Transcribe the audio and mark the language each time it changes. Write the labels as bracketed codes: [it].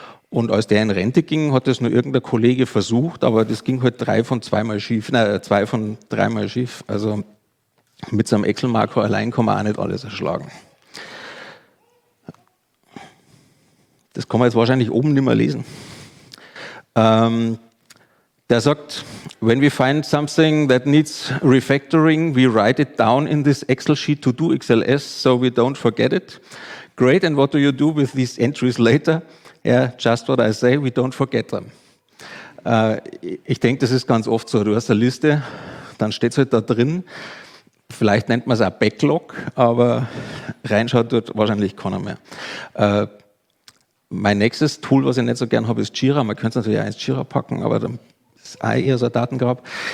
[de] Und als der in Rente ging, hat das nur irgendein Kollege versucht, aber das ging halt zwei von dreimal schief. Also mit seinem Excel-Makro allein kann man auch nicht alles erschlagen. Das kann man jetzt wahrscheinlich oben nicht mehr lesen. Der sagt, [en] when we find something that needs refactoring, we write it down in this Excel sheet to do XLS, so we don't forget it. Great, and what do you do with these entries later? Yeah, just what I say, we don't forget them. [de] Ich denke, das ist ganz oft so. Du hast eine Liste, dann steht es halt da drin. Vielleicht nennt man es auch Backlog, aber reinschaut dort wahrscheinlich keiner mehr. Mein nächstes Tool, was ich nicht so gern habe, ist Jira. Man könnte es natürlich auch ins Jira packen, aber dann ist auch eher so ein Datengrab.